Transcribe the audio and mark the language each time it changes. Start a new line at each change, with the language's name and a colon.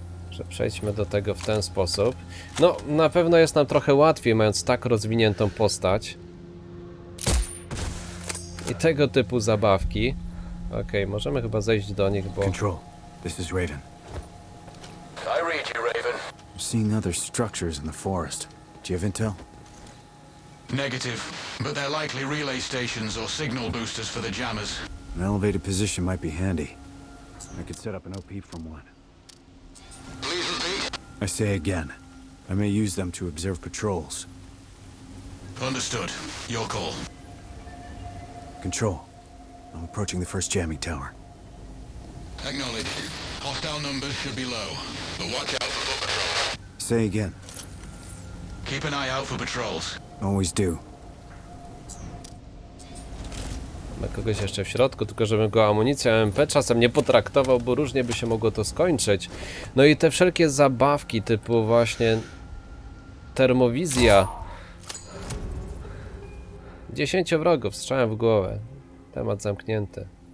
Polish: Że przejdźmy do tego w ten sposób. No, na pewno jest nam trochę łatwiej, mając tak rozwiniętą postać. I tego typu zabawki. Okej, możemy chyba zejść do nich, bo...
English: Control, this is Raven. I read you, Raven. I'm seeing other structures in the forest. Do you have intel? Negative, but they're likely relay stations or signal boosters for the jammers. An elevated position might be handy. I could set up an OP from one. Please repeat. I say again, I may use them to observe patrols. Understood. Your call. Control. I'm approaching the first jamming tower. Acknowledged. Hostile numbers should be low, but watch out for foot patrols. Say again. Keep an eye out for patrols. Always do.
Polish: Mamy kogoś jeszcze w środku, tylko żebym go amunicją MP czasem nie potraktował, bo różnie by się mogło to skończyć. No i te wszelkie zabawki typu właśnie termowizja. 10 wrogów, strzałem w głowę. Temat zamknięty.